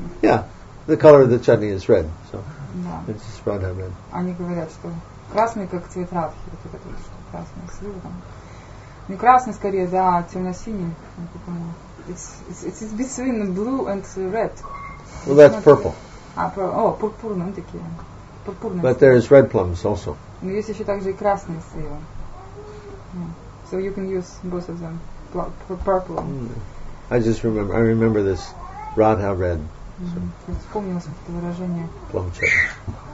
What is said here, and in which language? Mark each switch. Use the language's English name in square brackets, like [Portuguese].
[English] Yeah, the color of the chutney is red. So. It's just Radha Red. [Russian] Они говорят, что красный как цвет Радхи, вот это вот, что красный сливы там. Не красный скорее, да, а темно-синий. [English] it's between blue and red. Well, that's purple. [Russian] Purpurные такие. Purpurные. [English] But there is red plums also. [Russian] Но есть еще также и красные сливы. [English] So you can use both of them, purple. Mm. I remember this Radha red. [Russian] Вспомнилось это выражение. [English] Plum cherry.